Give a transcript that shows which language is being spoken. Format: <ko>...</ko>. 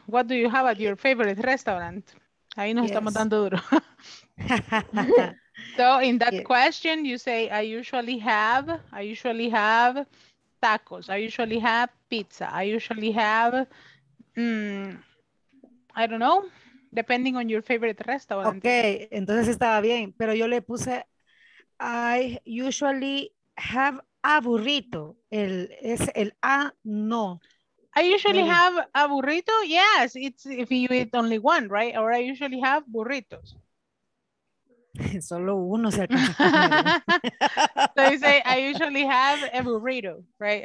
<en>What do you have at your favorite restaurant?</en> <es>Ahí nos estamos dando duro.</es> <en>So in that question, you say, I usually have tacos. I usually have pizza. I usually have, I don't know, depending on your favorite restaurant.</en> <es>Okay, entonces estaba bien, pero yo le puse,</es> <en>I usually have a burrito.</en> <es>El, es el A, no.</es> <en>I usually have a burrito, yes, it's if you eat only one, right? Or I usually have burritos.</en> <es>Solo uno se alcanza.</es> <en>So you say, I usually have a burrito, right?</en>